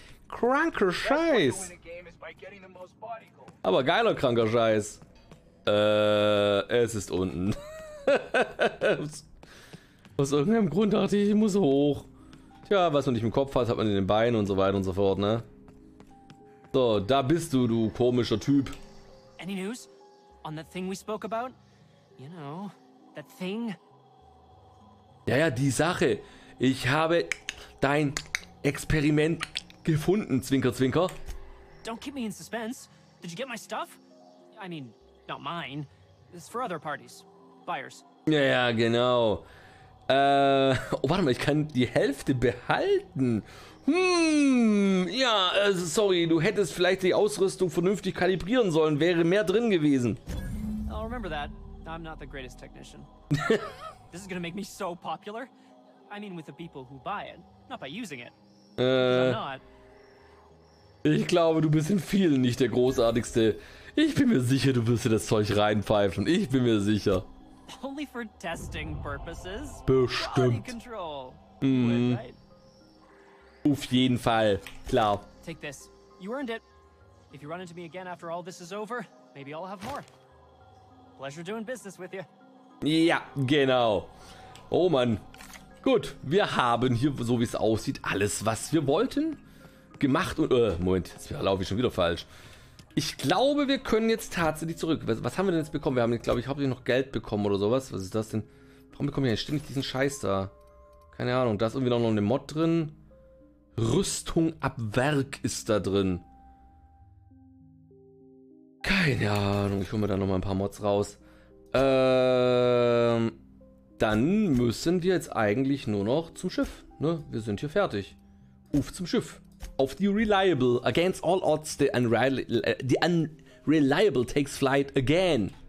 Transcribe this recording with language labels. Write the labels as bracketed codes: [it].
[de] Kranker Scheiß. Aber geiler kranker Scheiß. Es ist unten. Aus irgendeinem Grund dachte ich, ich muss hoch. Tja, was man nicht im Kopf hat, hat man in den Beinen und so weiter und so fort, ne? So, da bist du, du komischer Typ. [en] Any news on the thing we spoke about? You know, that thing. [de] Ja, ja, die Sache. Ich habe dein Experiment gefunden, Zwinker, Zwinker. [en] Don't keep me in suspense. Did you get my stuff? I mean, not mine. It's for other parties, buyers. [de] Ja, ja, genau. Oh, warte mal, ich kann die Hälfte behalten. Ja, sorry, du hättest vielleicht die Ausrüstung vernünftig kalibrieren sollen, wäre mehr drin gewesen. [en] I'll remember that. I'm not the greatest technician. This is gonna make me so popular. I mean with the people who buy it, not by using it. [de] Ich glaube, du bist in vielen nicht der Großartigste. Ich bin mir sicher, du wirst dir das Zeug reinpfeifen. Ich bin mir sicher. [en] Only for testing purposes. [de] Bestimmt. [en] Body control. [de] Auf jeden Fall, klar. [en] Take this. You earned it. If you run into me again after all this is over, maybe I'll have more. Pleasure doing business with you. [de] Ja, genau. Oh Mann. Gut, wir haben hier, so wie es aussieht, alles, was wir wollten. gemacht und... Moment, jetzt laufe ich schon wieder falsch. Ich glaube, wir können jetzt tatsächlich zurück. Was haben wir denn jetzt bekommen? Wir haben, glaube ich, hauptsächlich noch Geld bekommen oder sowas. Was ist das denn? Warum bekomme ich denn ständig diesen Scheiß da? Keine Ahnung. Da ist irgendwie noch eine Mod drin. Rüstung ab Werk ist da drin. Keine Ahnung. Ich hole mir da nochmal ein paar Mods raus. Dann müssen wir jetzt eigentlich nur noch zum Schiff. Ne? Wir sind hier fertig. Ruf zum Schiff. Auf die Reliable. [en] Against all odds, the Unreliable takes flight again.